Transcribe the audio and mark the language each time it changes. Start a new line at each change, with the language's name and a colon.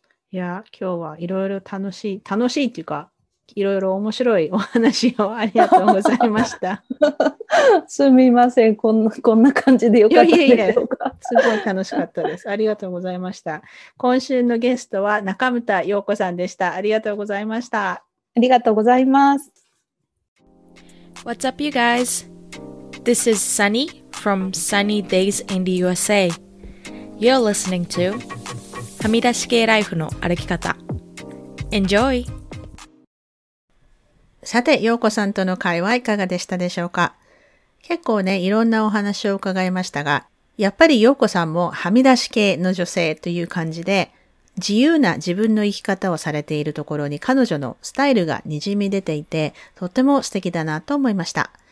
Japanese: いや、今日はいろいろ楽しい、楽しいっていうか、いろいろ面白いお話をありがとうございました。すみません、こんな感じでよかったでしょうか。すごい楽しかったです。ありがとうございました。今週のゲストは中牟田陽子さんでした。ありがとうございました。ありがとうございます。
English: What's up, you guys? This is Sunny from Sunny Days in the USA. You're listening to はみ出し系ライフの歩き方。 Enjoy!
Japanese: さて、陽子さんとの会話いかがでしたでしょうか。結構ね、いろんなお話を伺いましたが、やっぱり陽子さんもはみ出し系の女性という感じで、自由な自分の生き方をされているところに彼女のスタイルがにじみ出ていて、とても素敵だなと思いました。